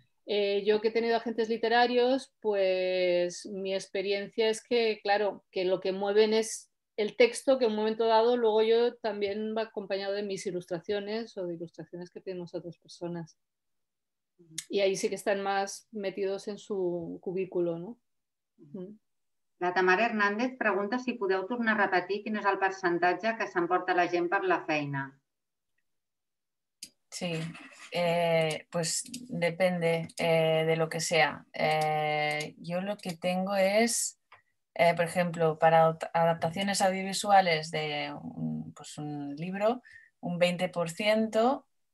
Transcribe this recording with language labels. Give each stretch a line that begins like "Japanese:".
Spanish: Yo que he tenido agentes literarios, pues mi experiencia es que, claro, que lo que mueven es el texto, que en un momento dado luego yo también va acompañado de mis ilustraciones o de ilustraciones que tenemos otras personas. Y ahí sí que están más metidos en su cubículo, ¿no?
Catalan: La Tamara Hernández pregunta si podeu tornar a repetir quin és el percentatge que s'emporta la gent per la feina.
Spanish: Sí, pues depende de lo que sea. Yo lo que tengo es... por ejemplo, para adaptaciones audiovisuales de un libro, un 20%.